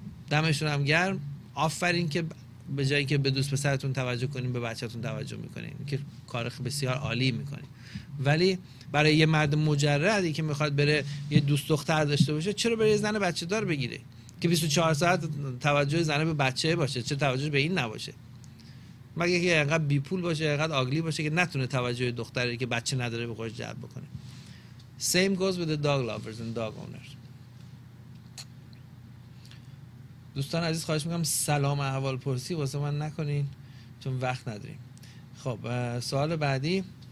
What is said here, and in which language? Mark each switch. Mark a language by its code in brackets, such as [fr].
[fa] دمشون هم گرم، آفرین که به جایی که به دوست پسرتون توجه کنین به بچهتون توجه میکنین، که کار بسیار عالی میکنین، ولی برای یه مرد مجردی که میخواد بره یه دوست دختر داشته باشه، چرا بره یه زن بچه دار بگیره که 24 ساعت توجه زن به بچه باشه، چرا توجه به این نباشه؟ مگه که اینقدر بی پول باشه، اینقدر آگلی باشه که نتونه توجه دختری که بچه نداره به خودش جلب بکنه. [en] Same goes with the dog lovers and dog owners. [fa] دوستان عزیز خواهش میکنم سلام احوال پرسی واسه من نکنین چون وقت نداریم. خب سوال بعدی،